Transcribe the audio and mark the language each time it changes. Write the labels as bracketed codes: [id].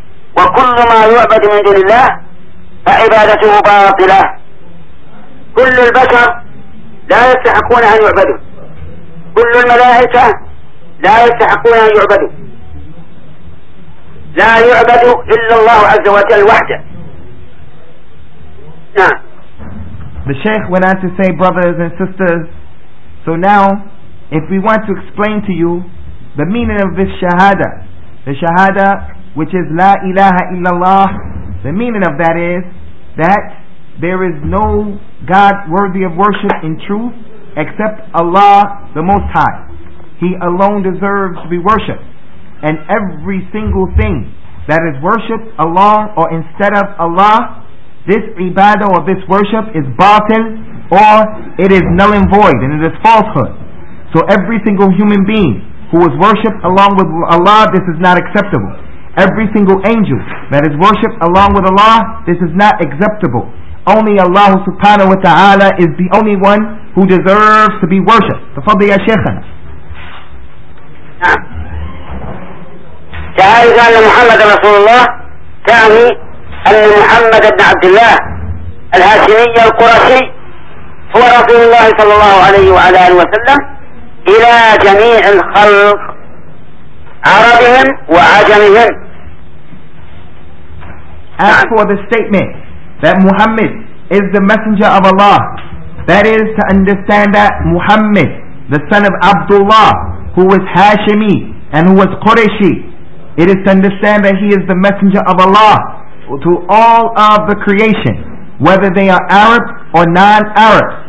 [ar] وكل ما يعبد من دون الله فعبادته باطلة. كل البشر لا يستحقون أن يعبدوا. كل الملائكة لا يستحقون أن يعبدوا. لا يعبد إلا الله عز وجل وحده. نعم. [en] The Sheikh went on to say, brothers and sisters, so now if we want to explain to you the meaning of this shahada, the shahada which is [ar] la ilaha illallah, [en] the meaning of that is that there is no God worthy of worship in truth except Allah the Most High. He alone deserves to be worshipped. And every single thing that is worshipped along or instead of Allah, this ibadah or this worship is batil, or it is null and void and it is falsehood. So every single human being who is worshipped along with Allah, this is not acceptable. Every single angel that is worshipped along with Allah, this is not acceptable. Only Allah subhanahu wa ta'ala is the only one who deserves to be worshipped. [ar] Tafadhal ya shaykhana. تعالى قال محمد رسول الله تعني أن محمد بن عبد الله الهاشمي القرشي هو رسول الله صلى الله عليه وعلى آله وسلم إلى جميع الخلق عربهم وعجمهم. [en] As for the statement that Muhammad is the messenger of Allah, that is to understand that Muhammad, the son of Abdullah, who was Hashimi and who was Qurayshi, it is to understand that he is the messenger of Allah to all of the creation, whether they are Arab or non-Arab.